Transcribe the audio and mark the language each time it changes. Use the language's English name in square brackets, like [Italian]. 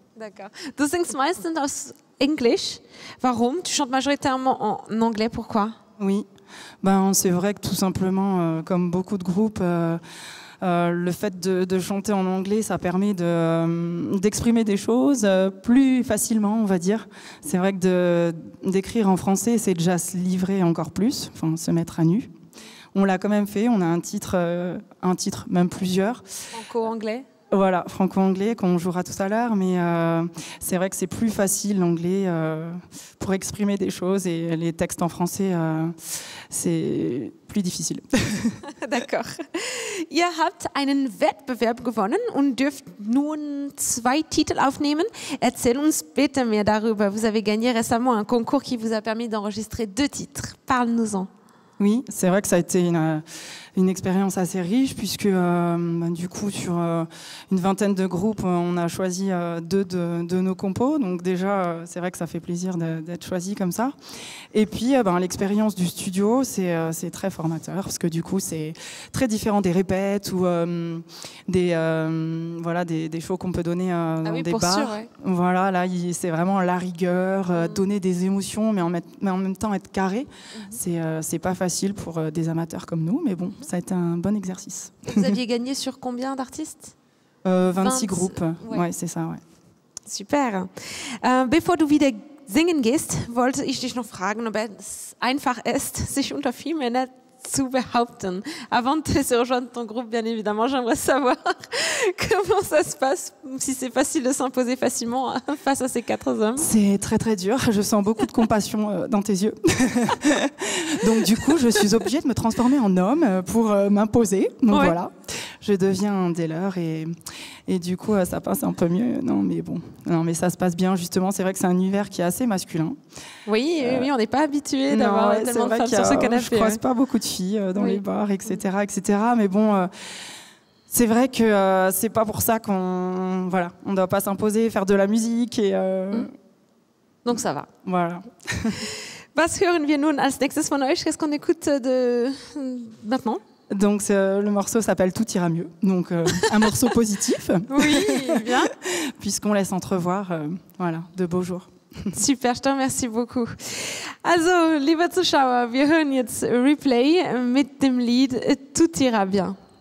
[French] D'accord. [German] Du singst meistens aus Englisch. Warum? [French] Tu chantes majoritairement en anglais, pourquoi? Oui, c'est vrai que tout simplement, comme beaucoup de groupes, le fait de chanter en anglais, ça permet d'exprimer des choses plus facilement, on va dire. C'est vrai que d'écrire en français, c'est déjà se livrer encore plus, enfin se mettre à nu. On l'a quand même fait, on a un titre, même plusieurs. Franco-anglais? Voilà, franco-anglais, qu'on jouera tout à l'heure, mais c'est vrai que c'est plus facile l'anglais pour exprimer des choses et les textes en français, c'est plus difficile. D'accord. [German] Ihr habt einen Wettbewerb gewonnen und dürft nun 2 Titel aufnehmen. Erzähl uns bitte mehr darüber. [French] Vous avez gagné récemment un concours qui vous a permis d'enregistrer 2 titres. Parle-nous-en. Oui, c'est vrai que ça a été une expérience assez riche puisque sur une vingtaine de groupes, on a choisi 2 de nos compos. Donc déjà, c'est vrai que ça fait plaisir d'être choisi comme ça. Et puis l'expérience du studio, c'est très formateur parce que du coup, c'est très différent des répètes ou des shows qu'on peut donner des bars. Sûr, ouais. Voilà, là, c'est vraiment la rigueur, donner des émotions, mais en même temps être carré. C'est pas facile pour des amateurs comme nous, mais bon, ça a été un bon exercice. Vous aviez gagné sur combien d'artistes? 26 groupes, ouais, c'est ça, ouais. Super. [German] Bevor du wieder singen gehst, wollte ich dich noch fragen, ob es einfach ist, sich unter vier Männer zu behaupten. [French] Avant de se rejoindre ton groupe, bien évidemment, j'aimerais savoir comment ça se passe, si c'est facile de s'imposer facilement face à ces 4 hommes. C'est très très dur, je sens beaucoup de compassion dans tes yeux. Donc du coup, je suis obligée de me transformer en homme pour m'imposer. Donc ouais. Voilà, je deviens un des leurs et du coup, ça passe un peu mieux. Non mais ça se passe bien justement, c'est vrai que c'est un univers qui est assez masculin. Oui, on n'est pas habitué d'avoir tellement de femmes sur ce canapé. Je ne croise pas beaucoup de filles dans les bars, etc. Mais bon, c'est vrai que c'est pas pour ça qu'on on doit pas s'imposer, faire de la musique. Donc ça va. Voilà. [German] Was hören wir nun als nächstes von euch? [French] Qu'est-ce qu'on écoute de maintenant? Donc le morceau s'appelle Tout ira mieux. Donc un morceau positif. Oui, bien. Puisqu'on laisse entrevoir voilà, de beaux jours. Super, je te remercie beaucoup. [German] Also, liebe Zuschauer, wir hören jetzt Replay mit dem Lied Tout ira bien.